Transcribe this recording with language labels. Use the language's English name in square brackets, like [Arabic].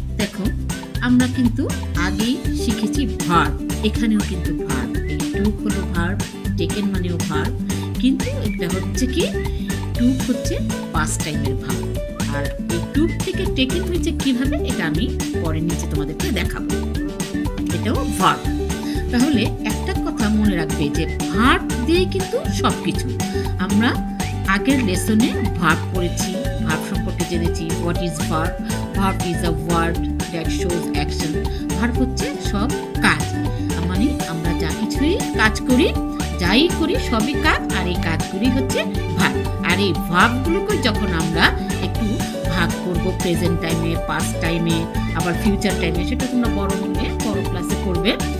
[Bangla] দেখো আমরা কিন্তু আগে শিখেছি verb. এখানেও কিন্তু verb. এই to হলো verb, taken মানেও verb. কিন্তু এটা হচ্ছে কি to হচ্ছে past time-এর verb. আর এই to থেকে taken হয়েছে কিভাবে এটা আমি পরে নিচে তোমাদেরকে দেখাবো. এটাও verb. তাহলে একটা কথা মনে রাখবে যে verb দিয়ে কিন্তু সবকিছু আমরা আগের লেসনে verb পড়েছি. Verb সম্পর্কে জেনেছি. [English] What is verb? Verb is a word that shows action. [Bangla] Verb হচ্ছে সব কাজ. মানে আমরা যা কিছুই কাজ করি, যাই করি সবই কাজ, আর এই কাজগুলি হচ্ছে verb. আর এই verbগুলোকে যখন আমরা একটু ভাগ করব প্রেজেন্ট টাইমে, পাস্ট টাইমে, আবার ফিউচার টাইমে, সেটা তোমরা বড় হলে বড় ক্লাসে করবে.